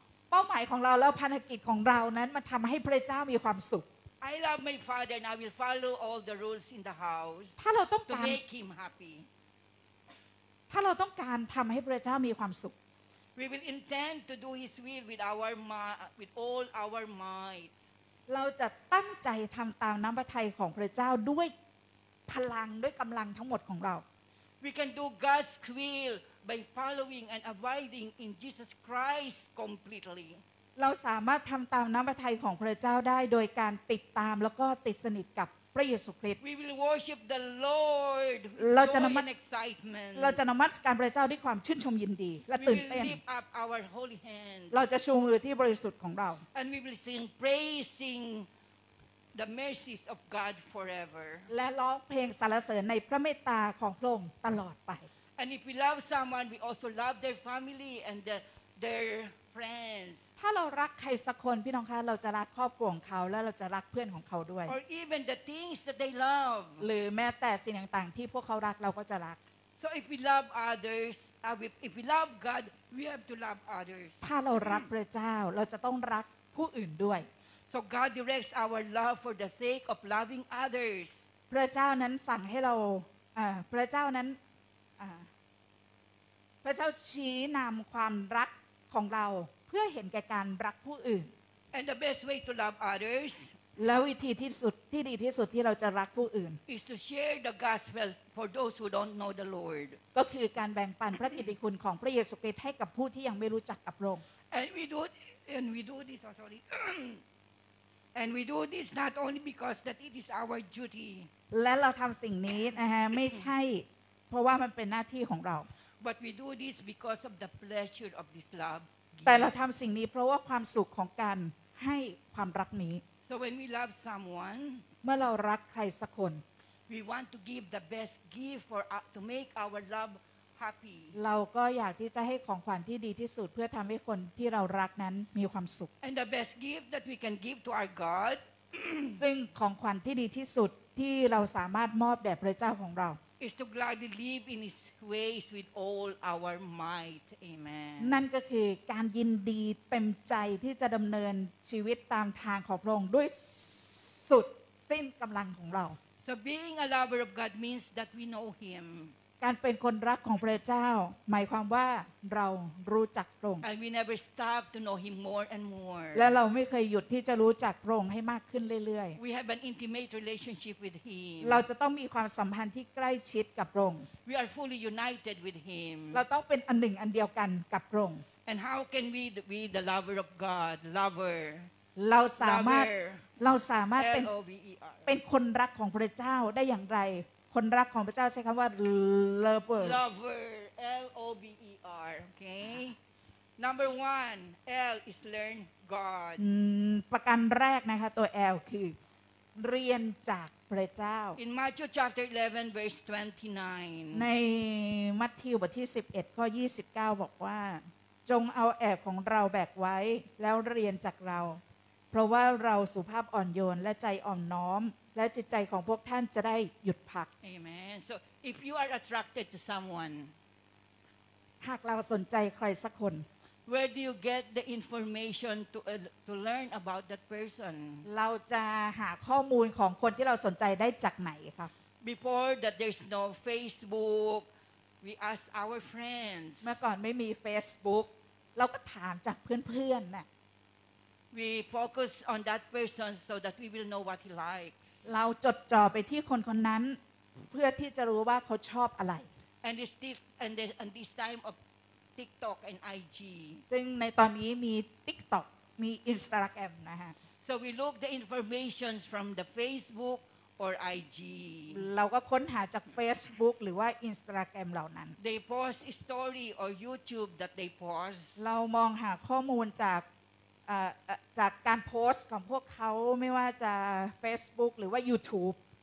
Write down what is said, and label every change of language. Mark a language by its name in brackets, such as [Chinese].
[Thai] เป้าหมายของเราแล้วภารกิจของเรานั้นมันทำให้พระเจ้ามีความสุข [English] I love my father and I will follow all the rules in the house. [Thai] ถ้าเราต้องการ [English] to make him happy. [Thai] ถ้าเราต้องการทำให้พระเจ้ามีความสุข [English] We will intend to do His will with our with all our might. [Thai] เราจะตั้งใจทำตามน้ำพระทัยของพระเจ้าด้วยพลังด้วยกำลังทั้งหมดของเรา [English] We can do God's will by following and abiding in Jesus Christ completely. [Thai] เราสามารถทำตามน้ำพระทัยของพระเจ้าได้โดยการติดตามแล้วก็ติดสนิทกับพระเยซูคริสต์ [English] We will worship the Lord with excitement. [Thai] เราจะนมัสการพระเจ้าด้วยความชื่นชมยินดีและตื่นเต้น [English] We will lift up our holy hands. [Thai] เราจะชูมือที่บริสุทธิ์ของเรา [English] And we will sing praising the mercies of God forever. [Thai] และร้องเพลงสรรเสริญในพระเมตตาของพระองค์ตลอดไป [English] And if we love someone, we also love their family and their friends. [Thai] ถ้าเรารักใครสักคนพี่น้องคะเราจะรักครอบครัวของเขาและเราจะรักเพื่อนของเขาด้วย [English] Or even the things that they love [Thai] หรือแม้แต่สิ่งต่างๆที่พวกเขารักเราก็จะรัก [English] So if we love others if we love God we have to love others [Thai] ถ้าเรารักพระเจ้าเราจะต้องรักผู้อื่นด้วย [English] So God directs our love for the sake of loving others [Thai] พระเจ้านั้นสั่งให้เราพระเจ้าชี้นำความรักของเราเพื่อเห็นแก่การรักผู้อื่น [English] And the best way to love others [Thai] แล้ววิธีที่สุดที่ดีที่สุดที่เราจะรักผู้อื่น [English] is to share the gospel for those who don't know the Lord [Thai] ก็คือการแบ่งปันพระกิตติคุณของพระเยซูคริสต์ให้กับผู้ที่ยังไม่รู้จักกับพระองค์ [English] and we do this oh, sorry and we do this not only because that it is our duty [Thai] และเราทำสิ่งนี้นะฮะไม่ใช่เพราะว่ามันเป็นหน้าที่ของเรา [English] but we do this because of the pleasure of this love [Thai] แต่เราทำสิ่งนี้เพราะว่าความสุขของการให้ความรักนี้ [English] So when we love someone [Thai] เมื่อเรารักใครสักคน [English] We want to give the best gift for to make our love happy. [Thai] เราก็อยากที่จะให้ของขวัญที่ดีที่สุดเพื่อทำให้คนที่เรารักนั้นมีความสุข [English] And the best gift that we can give to our God. [Thai] ซึ่งของขวัญที่ดีที่สุดที่เราสามารถมอบแด่พระเจ้าของเรา [English] Is to gladly live in His ways with all our might. Amen. [Thai] นั่นก็คือการยินดีเต็มใจที่จะดำเนินชีวิตตามทางของพระองค์ด้วยสุดสิ้นกำลังของเรา [English] So being a lover of God means that we know Him. [Thai] การเป็นคนรักของพระเจ้าหมายความว่าเรารู้จักพระองค์ [English] And we never stop to know Him more and more. [Thai] และเราไม่เคยหยุดที่จะรู้จักพระองค์ให้มากขึ้นเรื่อย [English] ๆ We have an intimate relationship with Him. [Thai] เราจะต้องมีความสัมพันธ์ที่ใกล้ชิดกับพระองค์ [English] We are fully united with Him. [Thai] เราต้องเป็นอันหนึ่งอันเดียวกันกับพระองค์ [English] And how can we be the lover of God, lover? [Thai] เราสามารถเป็น [English] L-O-V-E-R. [Thai] เป็นคนรักของพระเจ้าได้อย่างไรคนรักของพระเจ้าใช้คำว่า lover [English] lover L O V E R okay number one L is learn God [Thai] ประการแรกนะคะตัว L คือเรียนจากพระเจ้า [English] in Matthew chapter 11 verse 29 [Thai] ในมัทธิวบทที่11ข้อ29บอกว่าจงเอาแอกของเราแบกไว้แล้วเรียนจากเราเพราะว่าเราสุภาพอ่อนโยนและใจอ่อนน้อมและจิตใจของพวกท่านจะได้หยุดพัก [English] Amen. So if you are attracted to someone, [Thai] หากเราสนใจใครสักคน [English] Where do you get the information to learn about that person? [Thai] เราจะหาข้อมูลของคนที่เราสนใจได้จากไหนครับ [English] Before that there's no Facebook, we ask our friends. [Thai] เมื่อก่อนไม่มี Facebook, เราก็ถามจากเพื่อนๆน่ะ [English] We focus on that person so that we will know what he likes. [Thai] เราจดจ่อไปที่คนคนนั้นเพื่อที่จะรู้ว่าเขาชอบอะไร [English] And this time of TikTok and IG. [Thai] ซึ่งในตอนนี้มี TikTok มี Instagram นะฮะ [English] So we look the information from the Facebook or IG. [Thai] เราก็ค้นหาจาก Facebook หรือว่า Instagram เหล่านั้น [English] They post a story or YouTube that they post. [Thai] เรามองหาข้อมูลจากการโพสต์ของพวกเขาไม่ว่าจะ Facebook หรือว่า YouTube